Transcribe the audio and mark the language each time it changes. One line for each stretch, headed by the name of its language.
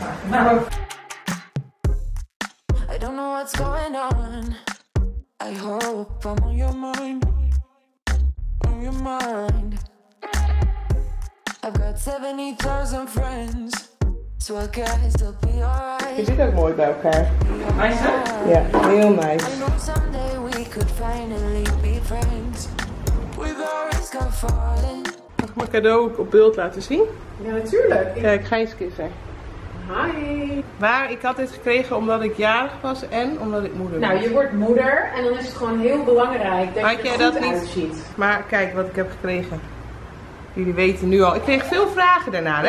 English: Nou. I don't know what's going on. I hope I'm on your mind. Your mind. I've got 70,000 friends, so I guess they'll be alright.
Dutch: Je ziet ook mooi bij elkaar.
English: Nice,
Dutch: ja, heel nice.
English: I know someday we could finally be friends without risk of falling.
Dutch: Mag ik mijn cadeau ook op beeld laten zien? Ja, natuurlijk. Kijk, Gijske is er.
English: Hi.
Dutch: Maar ik had dit gekregen omdat ik jarig was en omdat ik moeder was. Nou, je wordt moeder en dan is het gewoon heel belangrijk dat je er goed uitziet. Maar kijk wat ik heb gekregen. Jullie weten nu al. Ik kreeg veel vragen daarna, hè?